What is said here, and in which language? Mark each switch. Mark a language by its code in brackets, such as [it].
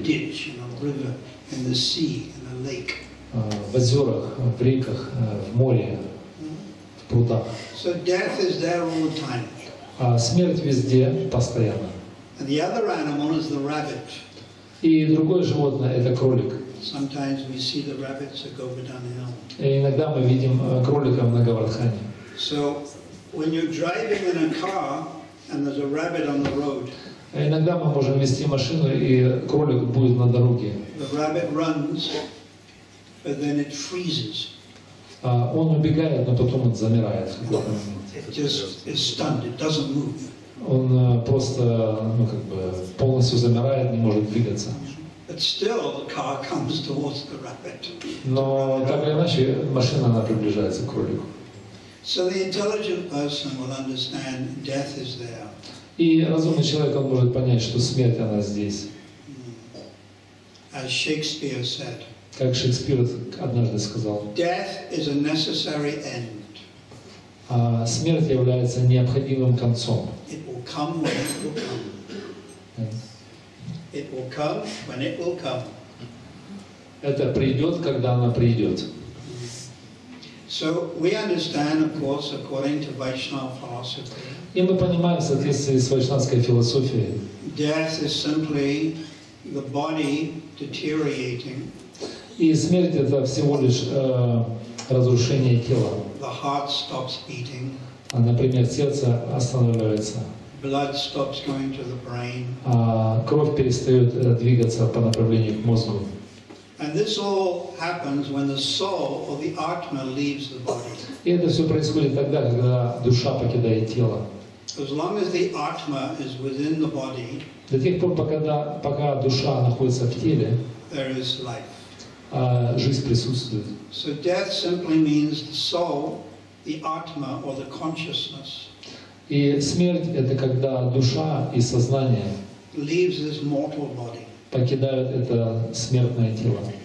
[en] In a ditch, in a river, in the sea, in a lake. [ru] В озерах, в реках, в море, в прудах. [en] So death is there all the time. [ru] Смерть везде, постоянно. [en] And the other animal is the rabbit. [ru] И другое животное – это кролик. [en] Sometimes we see the rabbits at Govardhan Hill. [ru] И иногда мы видим кроликов на Говардхане. [en] So when you're driving in a car and there's a rabbit on the road. [ru] Иногда мы можем вести машину и кролик будет на дороге. [en] The rabbit runs. But then it freezes. [ru] Он убегает, но потом он замирает. [en] It just is stunned. It doesn't move. [ru] Он просто, ну как бы, полностью замирает, не может двигаться. [en] But still, the car comes towards the rabbit. [ru] Но так или иначе машина она приближается к кролику. [en] So the intelligent person will understand death is there. [ru] И разумный человек он может понять, что смерть она здесь. [en] As Shakespeare said. [ru] Как Шекспир однажды сказал. [en] Death is a necessary end. [ru] А смерть является необходимым концом. [en] It will come when it will come. It will come when it will come. [ru] Это придет, когда она придет. [en] So we understand, of course, according to Vaishnava philosophy. [ru] И мы понимаем в соответствии с вайшнавской философией. [en] Death is simply the body deteriorating. [ru] И смерть это всего лишь разрушение тела. [en] The heart stops beating. [ru] А, например, сердце останавливается. [en] Blood stops going to the brain. [ru] А кровь перестает двигаться по направлению к мозгу. [en] And this all happens when the soul or the atma leaves the body. [ru] И это все происходит тогда, когда душа покидает тело. [en] As long as the atma is within the body, [ru] до тех пор, пока душа находится в теле, [en] there is life. [ru] Жизнь присутствует. [en] So death simply means the soul, the atma, or the consciousness. [ru] И смерть это когда душа и сознание [en] leaves this mortal body. [ru] Покидают это смертное тело.